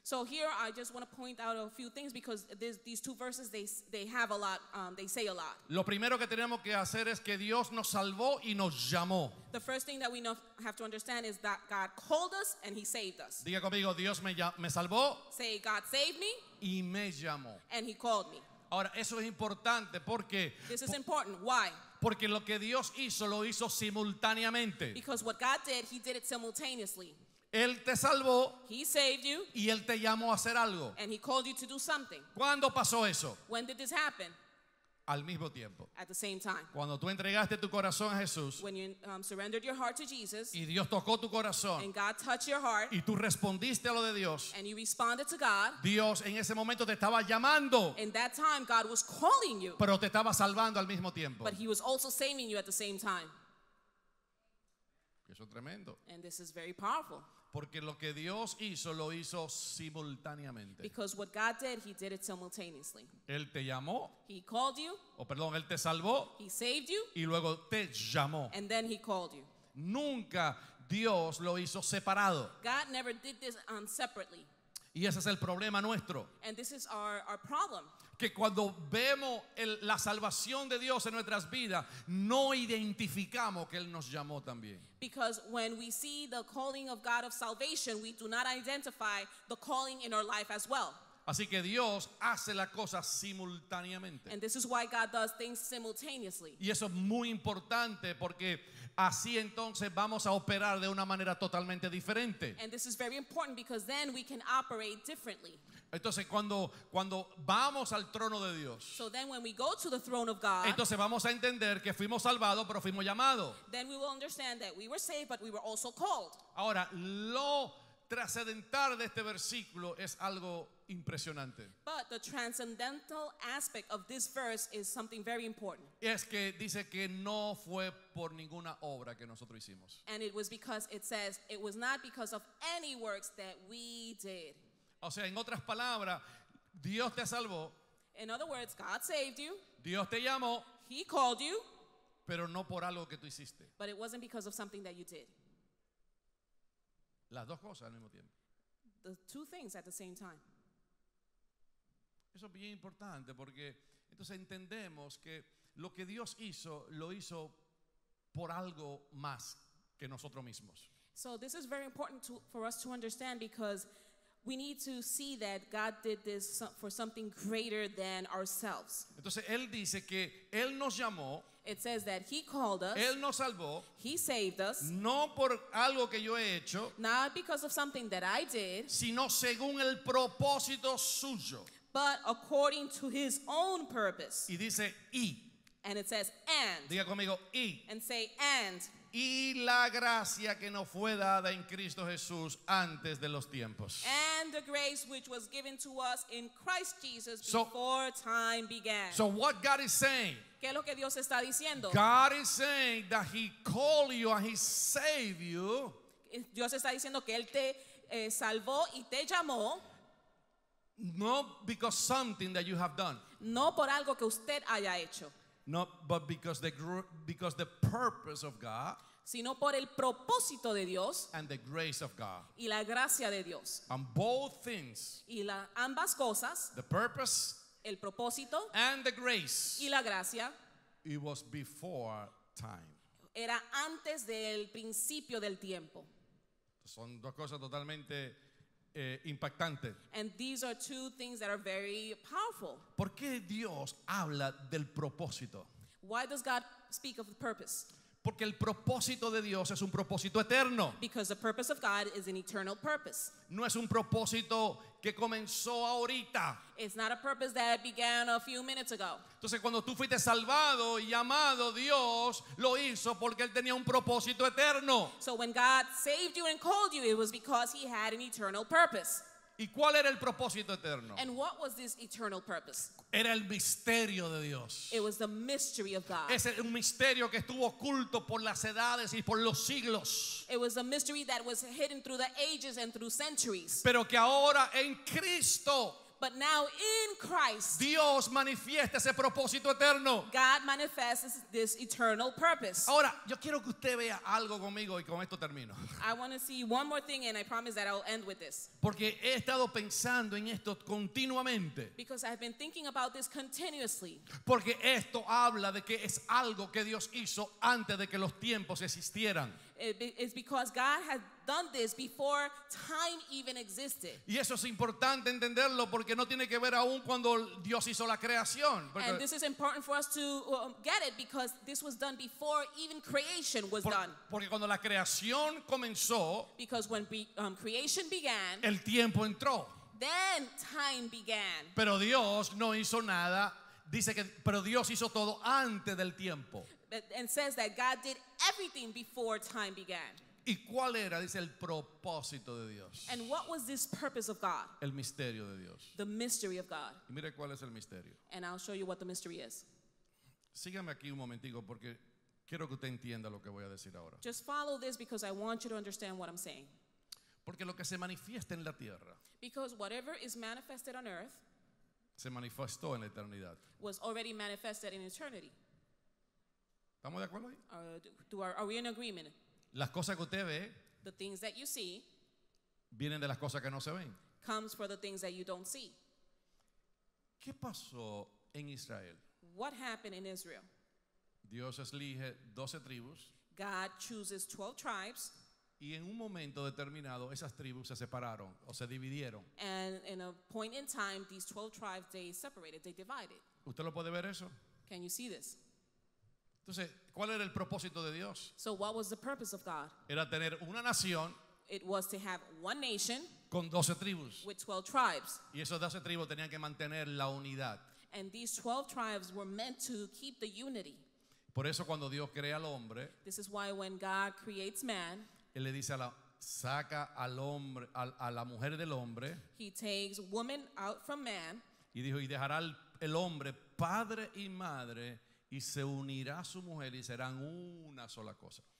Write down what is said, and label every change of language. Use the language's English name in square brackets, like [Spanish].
[English] So here I just want to point out a few things because these two verses they have a lot, they say a lot. [Spanish] Lo primero que tenemos que hacer es que Dios nos salvó y nos llamó. [English] The first thing that we have to understand is that God called us and he saved us. [Spanish] Diga conmigo, Dios me salvó. [English] Say, God saved me. [Spanish] Y me llamó. [English] And he called me. [Spanish] Ahora, eso es importante porque [English] this is important. Why? [Spanish] Porque lo que Dios hizo, lo hizo simultáneamente. [English] Because what God did, he did it simultaneously. [Spanish] Él te salvó. [English] He saved you. [Spanish] Y él te llamó a hacer algo. [English] And he called you to do something. [Spanish] ¿Cuándo pasó eso? [English] When did this happen? [Spanish] Al mismo tiempo. [English] At the same time. [Spanish] Cuando tú entregaste tu corazón a Jesús. [English] When you surrendered your heart to Jesus. [Spanish] Y Dios tocó tu corazón. [English] And God touched your heart. [Spanish] Y tú respondiste a lo de Dios. [English] And you responded to God. [Spanish] Dios en ese momento te estaba llamando. [English] In that time God was calling you. [Spanish] Pero te estaba salvando al mismo tiempo. [English] But he was also saving you at the same time. [Spanish] Eso es tremendo. [English] And this is very powerful. [Spanish] Porque lo que Dios hizo, lo hizo simultáneamente. [English] Because what God did, he did it simultaneously. [Spanish] Él te llamó. [English] He called you. [Spanish] Perdón, él te salvó. [English] He saved you. [Spanish] Y luego te llamó. [English] And then he called you. [Spanish] Nunca Dios lo hizo separado. [English] God never did this separately. [Spanish] Y ese es el problema nuestro. [English] And this is our problem. [Spanish] Que cuando vemos la salvación de Dios en nuestras vidas, no identificamos que Él nos llamó también. [English] Because when we see the calling of God of salvation, we do not identify the calling in our life as well. [Spanish] Así que Dios hace las cosas simultáneamente. [English] And this is why God does things simultaneously. [Spanish] Y eso es muy importante porque así entonces vamos a operar de una manera totalmente diferente. [English] And this is very important because then we can operate differently. [Spanish] Entonces cuando vamos al trono de Dios, [English] so then when we go to the throne of God, [Spanish] entonces vamos a entender que fuimos salvados pero fuimos llamados. [English] Then we will understand that we were saved but we were also called. [Spanish] Ahora, lo trascendental de este versículo es algo impresionante. [English] But the transcendental aspect of this verse is something very important. [Spanish] Es que dice que no fue por ninguna obra que nosotros hicimos. [English] And it was because it says it was not because of any works that we did. [Spanish] O sea, en otras palabras, Dios te salvó. [English] In other words, God saved you. [Spanish] Dios te llamó. [English] He called you. [Spanish] Pero no por algo que tú hiciste. [English] But it wasn't because of something that you did. [Spanish] Las dos cosas al mismo tiempo. [English] The two things at the same time. [Spanish] Eso es bien importante porque entonces entendemos que lo que Dios hizo, lo hizo por algo más que nosotros mismos. [English] So this is very important for us to understand because we need to see that God did this for something greater than ourselves. [Spanish] Entonces él dice que él nos llamó. [English] It says that he called us. [Spanish] Él nos salvó. [English] He saved us. [Spanish] No por algo que yo he hecho. [English] Not because of something that I did. [Spanish] Sino según el propósito suyo. [English] But according to his own purpose. [Spanish] Y dice y. [English] And it says and. [Spanish] Diga conmigo y. [English] And say and. [Spanish] Y la gracia que nos fue dada en Cristo Jesús antes de los tiempos. [English] And the grace which was given to us in Christ Jesus before time began. So what God is saying? [Spanish] ¿Qué es lo que Dios está diciendo? [English] God is saying that he called you and he saved you. [Spanish] Dios está diciendo que él te salvó y te llamó. [English] No because something that you have done. [Spanish] No por algo que usted haya hecho. [English] No, but because the purpose of God, [Spanish] sino por el propósito de Dios, [English] and the grace of God, [Spanish] y la gracia de Dios, [English] and both things, [Spanish] y ambas cosas, [English] the purpose, [Spanish] el propósito, [English] and the grace, [Spanish] y la gracia, [English] it was before time. [Spanish] Era antes del principio del tiempo. Son dos cosas totalmente impactantes. [English] And these are two things that are very powerful. [Spanish] ¿Por qué Dios habla del propósito? [English] Why does God speak of the purpose? [Spanish] Porque el propósito de Dios es un propósito eterno. [English] Because the purpose of God is an eternal purpose. [Spanish] No es un propósito que comenzó ahorita. [English] It's not a purpose that began a few minutes ago. [Spanish] Entonces cuando tú fuiste salvado y llamado, Dios lo hizo porque él tenía un propósito eterno. [English] So when God saved you and called you, it was because he had an eternal purpose. [Spanish] ¿Y cuál era el propósito eterno? [English] And what was this eternal purpose? [Spanish] Era el misterio de Dios. [English] It was the mystery of God. [Spanish] Es un misterio que estuvo oculto por las edades y por los siglos. [English] It was a mystery that was hidden through the ages and through centuries. [Spanish] Pero que ahora en Cristo, [English] but now in Christ, [Spanish] Dios manifiesta ese propósito eterno. [English] God manifests this eternal purpose. [Spanish] Ahora, yo quiero que usted vea algo conmigo y con esto termino. [English] I want to see one more thing and I promise that I'll end with this. [Spanish] Porque he estado pensando en esto continuamente. [English] Because I've been thinking about this continuously. [Spanish] Porque esto habla de que es algo que Dios hizo antes de que los tiempos existieran. [English] It's because God had done this before time even existed. [Spanish] Y eso es importante entenderlo porque no tiene que ver aún cuando Dios hizo la creación. [English] And this is important for us to get it because this was done before even creation was done. [Spanish] Porque cuando la creación comenzó, [English] because when creation began, [Spanish] el tiempo entró. [English] Then time began. [Spanish] Pero Dios no hizo nada. Dice que, pero Dios hizo todo antes del tiempo. [English] And says that God did everything before time began. [Spanish] ¿Y cuál era? Dice el propósito de Dios. [English] And what was this purpose of God? [Spanish] El misterio de Dios. [English] The mystery of God. [Spanish] Y mire cuál es el misterio. [English] And I'll show you what the mystery is. [Spanish] Sígame aquí un momentico porque quiero que usted entienda lo que voy a decir ahora. [English] Just follow this because I want you to understand what I'm saying. [Spanish] Porque lo que se manifiesta en la tierra, [English] because whatever is manifested on earth, [Spanish] se manifestó en la eternidad, [English] was already manifested in eternity. [Spanish] ¿Estamos de acuerdo ahí? [English] Are we in agreement? [Spanish] Las cosas que usted ve, [English] the things that you see, [Spanish] vienen de las cosas que no se ven, [English] comes for the things that you don't see. [Spanish] ¿Qué pasó en Israel? [English] What happened in Israel? [Spanish] Dios elige 12 tribus. [English] God chooses 12 tribes. [Spanish] Y en un momento determinado, esas tribus se separaron o se dividieron. [English] And in a point in time, these 12 tribes, they separated, they divided. [Spanish] ¿Usted lo puede ver eso? [English] Can you see this? [Spanish] Entonces, ¿cuál era el propósito de Dios? [English] So what was the purpose of God? [Spanish] Era tener una nación. [English] It was to have one nation. [Spanish] Con 12 tribus. [English] With 12 tribes. [Spanish] Y esos 12 tribus tenían que mantener la unidad. [English] And these 12 tribes were meant to keep the unity. [Spanish] Por eso cuando Dios crea al hombre, [English] this is why when God creates man, [Spanish] él le dice saca al hombre, a la mujer del hombre. [English] He takes woman out from man. [Spanish] Y dijo, y dejará el hombre padre y madre, y se unirá a su mujer y serán una sola cosa.